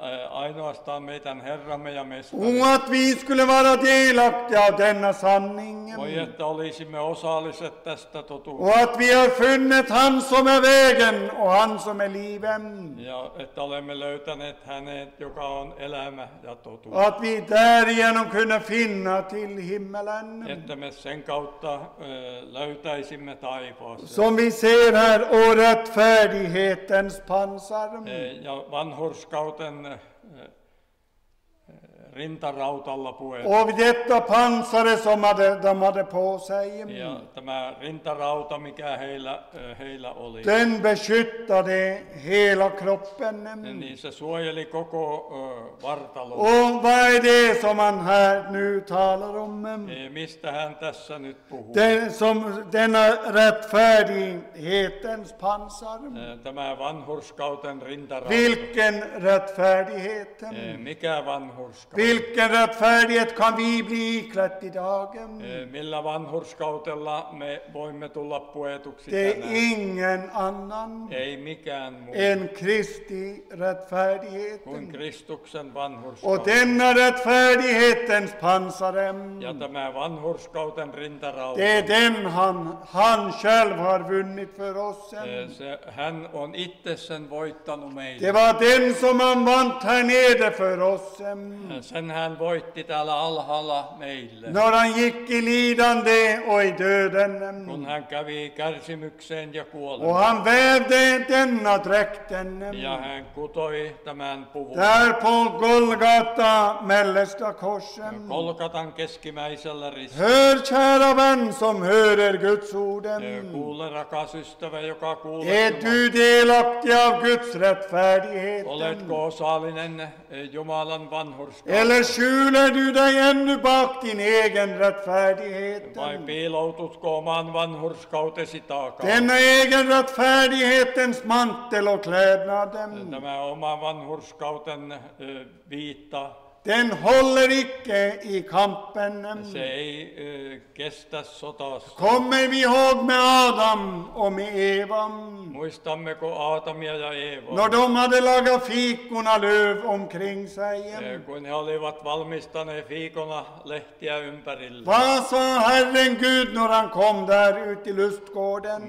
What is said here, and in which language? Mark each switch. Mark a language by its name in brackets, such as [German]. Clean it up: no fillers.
[Finnish] Ainoastaan meidän herramme ja mestari. [Swedish] Och att vi skulle vara delaktiga av denna sanning. [Finnish] Voi että olisimme osalliset tästä totuus. [Swedish] Och att vi har funnit han som är vägen och han som är livet. [Finnish] Ja että olemme löytäneet hänet, joka on elämä ja totuus. [Swedish] Att vi därigenom kunde finna till himmelen. [Finnish] Että me sen kautta löytäisimme taivaaseen. [Swedish] Som vi ser här, och rättfärdighetens pansar. [Finnish] Ja vanhurskautens rintarautalla puettu. [Swedish] Och detta pansare som hade, de hade på sig. [Finnish] Ja tämä rintarauta mikä heillä oli. [Swedish] Den beskyttade hela kroppen. [Finnish] Niin se suojeli koko vartalon. [Swedish] Och vad är det som han här nu talar om? [Finnish] Mistä hän tässä nyt puhuu? [Swedish] Denna rättfärdighetens pansar. [Finnish] Tämä vanhurskauten rintarauta. [Swedish] Vilken rättfärdighet? [Finnish] Mikä vanhurskaus? [Swedish] Vilken rättfärdighet kan vi bli iklätt idag? [Finnish] Millä vanhurskautella me voimme tulla puetuksi tänään? [Swedish] Det är ingen annan. [Finnish] Ei mikään muu. [Swedish] En Kristi rättfärdighet. [Finnish] Kuin Kristuksen vanhurskaus. [Swedish] Och denna rättfärdighetens pansarem. [Finnish] Ja tämä vanhurskauten rintarauta. [Swedish] Det är den han själv har vunnit för oss. [Finnish] Hän on itse sen voittanut meille. [Swedish] Det var den som han vant här nere för oss. [Finnish] Sen hän voitti täällä alhaalla meille. [Swedish] När han gick i lidande och i döden. [Finnish] Kun hän kävi kärsimykseen ja kuolemaan. [Swedish] Och han vävde denna dräkten. [Finnish] Ja hän kutoi tämän puvun. [Swedish] Där på Golgata mellesta korsen. [Finnish] Golgatan keskimmäisellä ristillä. [Swedish] Hör kära vän som hör er Guds orden. [Finnish] Kuule rakas ystävä joka kuulee. [Swedish] Är du delaktig av Guds rättfärdighet? [Finnish] Oletko osallinen Jumalan vanhurskauteen? [Swedish] Eller skyler du dig ännu bak din egen rättfärdighet? [Finnish] Vai piiloututko oman vanhurskautesi taakaan? [Swedish] Denna egen rättfärdighetens mantel och klädnaden. [Finnish] Tämä oma vanhurskauten viitta. [Swedish] Den håller icke i kampen. [Finnish] Se ei kestä sotassa. [Swedish] Kommer vi ihåg med Adam och med Eva? [Finnish] Muistammeko Aatamia ja Eevaa? [Swedish] No de hade lagat fikuna löv omkring sig. [Finnish] Kun he olivat valmistaneet fikuna lehtiä ympärille. [Swedish] Vad sa Herren Gud när han kom där ut i lustgården?